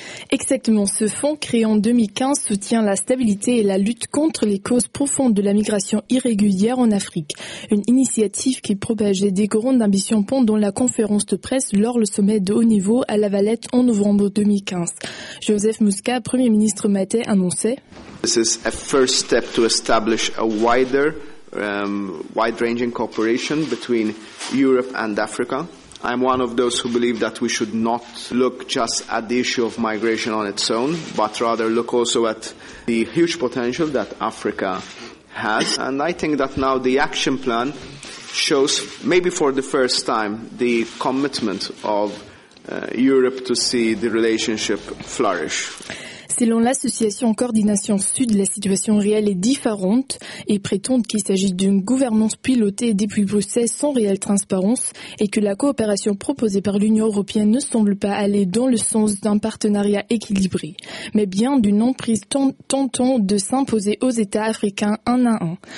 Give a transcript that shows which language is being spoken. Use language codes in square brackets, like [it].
[fr] Exactement, ce fonds créé en 2015 soutient la stabilité et la lutte contre les causes profondes de la migration irrégulière en Afrique. Une initiative qui propage des grandes ambitions pont dans la conférence de presse lors le sommet de haut niveau à La Valette en novembre 2015. Joseph Muscat, Premier ministre maltais, annonçait. [en] This is a first step to establish a wider wide-ranging cooperation between Europe and Africa. I'm one of those who believe that we should not look just at the issue of migration on its own, but rather look also at the huge potential that Africa has. And I think that now the action plan shows, maybe for the first time, the commitment of Europe to see the relationship flourish. [fr] Selon l'association Coordination Sud, la situation réelle est différente et prétend qu'il s'agit d'une gouvernance pilotée depuis Bruxelles sans réelle transparence et que la coopération proposée par l'Union européenne ne semble pas aller dans le sens d'un partenariat équilibré, mais bien d'une emprise tentant de s'imposer aux États africains un à un.